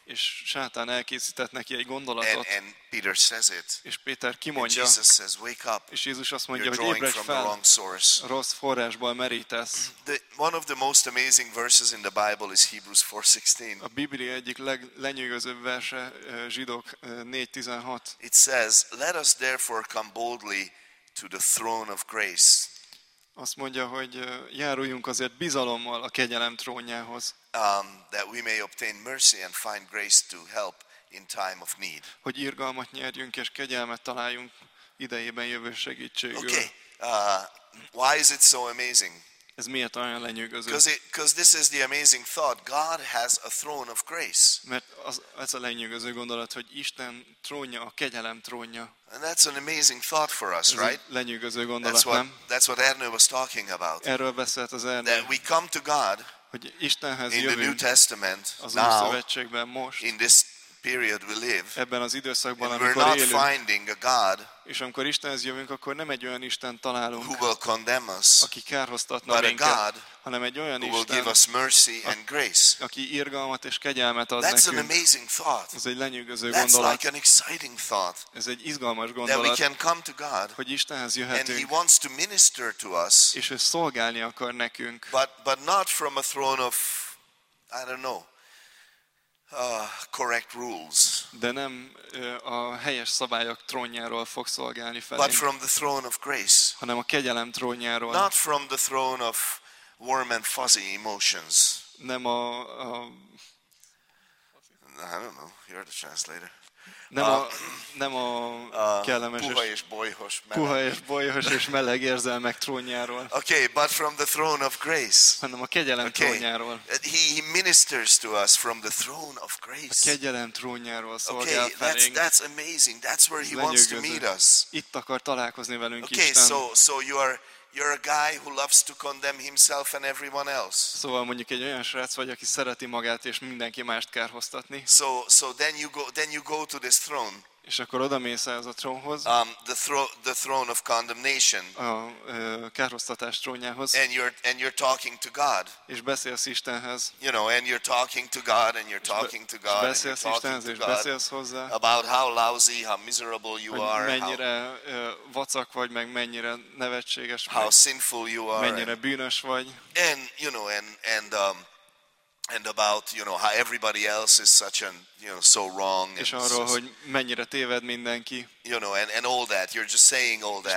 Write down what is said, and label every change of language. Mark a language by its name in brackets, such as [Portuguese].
[Hungarian] És Sátán elkészített neki egy gondolatot. [English] And Peter says it. [Hungarian] És Péter kimondja. [English] And Jesus says, wake up. [Hungarian] És Jézus azt mondja, hogy ébredj fel. [English] You're drawing from the wrong source. [Hungarian] Rossz forrásból merítesz. [English] One of the most amazing verses in the Bible is Hebrews 4:16. [Hungarian] A Biblia egyik lenyűgözőbb verse Zsidók 4:16. [English] It says, let us therefore come boldly to the throne of grace. [Hungarian] Azt mondja, hogy járuljunk azért bizalommal a kegyelem trónjához. [English] That we may obtain mercy and find grace to help in time of need. [Hungarian] Hogy irgalmat nyerjünk és kegyelmet találjunk idejében jövő segítségül. [English] Okay. Why is it so amazing? [Hungarian] Ez miért olyan lenyűgöző? [English] Because this is the amazing thought. God has a throne of grace. [Hungarian] Mert ez a lenyűgöző gondolat, hogy Isten trónja, a kegyelem trónja. [English] And that's an amazing thought for us, right? [Hungarian] Lenyűgöző gondolat, nem? [English] That's what Erno was talking about. [Hungarian] Erről beszélt az Erno. [English] That we come to God. [Hungarian] Hogy Istenhez jövünk, [English] in the New Testament, [Hungarian] az Új Szövetségben most, [English] in this period we live, [Hungarian] ebben az időszakban, amikor élünk, [English] we're not finding a God, [Hungarian] és amikor Istenhez jövünk, akkor nem egy olyan Isten találunk, [English] who will condemn us, [Hungarian] aki kárhoztatna minket, [English] but a God, [Hungarian] hanem egy olyan [English] who [Hungarian] Isten, [English] will give us mercy and grace. [Hungarian] Aki irgalmat és kegyelmet ad [English] That's [Hungarian] nekünk. [English] An amazing thought. [Hungarian] Ez egy lenyűgöző [English] That's [Hungarian] gondolat. [English] Like an exciting thought. [Hungarian] Ez egy izgalmas gondolat. [English] That we can come to God, [Hungarian] hogy Istenhez jöhetünk. [English] And he wants to minister to us, [Hungarian] és ő szolgálni akar nekünk. [English] But not from a throne of, I don't know, correct rules. [Hungarian] De nem a helyes szabályok trónjáról fog szolgálni felénk. [English] But from the throne of grace. [Hungarian] Hanem a kegyelem trónjáról. [English] Not from the throne of warm and fuzzy emotions. [Hungarian] Nem a [English] I don't know. You're the translator. [Hungarian] Nem a kellemes puha és bolyhos és meleg érzelmek trónjáról. [English] Okay, but from the throne of grace. [Hungarian] Hanem a kegyelem trónjáról. [English] He ministers to us from the throne of grace. [Hungarian] A kegyelem trónjáról szolgál felénk. [English] Okay, that's amazing. That's where he wants to meet us. [Hungarian] Itt akar találkozni velünk Isten. [English] Okay, so you are. You're a guy who loves to condemn himself and everyone else. [Hungarian] Szóval mondjuk egy olyan srác vagy, aki szereti magát és mindenki mást kárhoztatni. [English] So then you go to this throne. [Hungarian] És akkor oda mész ez a trónhoz. [English] The throne of condemnation. [Hungarian] A károsztatás trónjához. [English] And you're talking to God. [Hungarian] És beszélsz Istenhez. [English] You know, and you're talking to God and you're talking to God. [Hungarian] Beszélsz Istenhez, és beszélsz hozzá. [English] About how lousy, how miserable you are. [Hungarian] Mennyire vacak vagy, meg mennyire nevetséges vagy. [English] How sinful you are. [Hungarian] Mennyire bűnös vagy. [English] And you know, and about, you know, how everybody else is such an, you know, so wrong. [Hungarian] És arról, hogy mennyire téved mindenki. [English] You know, and all that, you're just saying all that.